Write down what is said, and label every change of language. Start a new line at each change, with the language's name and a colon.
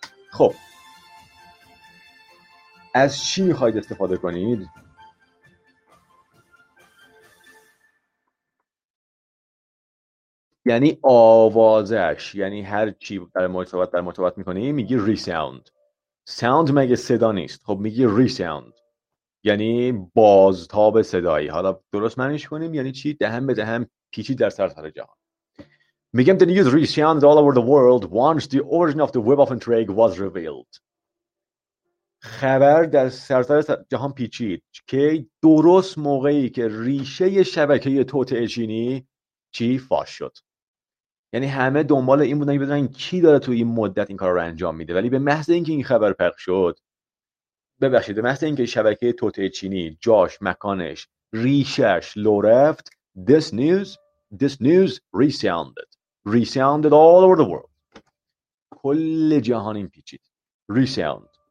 Persian: خب از چی میخواید استفاده کنید؟ یعنی آوازش، یعنی هر چی در مرتبط در مرتبط میکنی میگی ریساوند. ساوند مگه صدا نیست؟ خب میگی ریساوند، یعنی بازتاب صدایی. حالا درست معنیش کنیم یعنی چی؟ دهن به دهن پیچی در سراسر جهان. میگم
English: the news resounded all over the world once the origin of the web of intrigue was revealed.
Persian: خبر در سراسر جهان پیچید که درست موقعی که ریشه شبکه توطئه چینی چی فاش شد، یعنی همه دنبال این بودن که بدونن کی داره تو این مدت این کار رو انجام میده. ولی به محض اینکه این خبر پخش شد، ببخشید، به محض اینکه شبکه توطئه چینی جاش، مکانش، ریشش لو رفت،
English: this news resounded all over the world،
Persian: کل جهان این پیچید resound.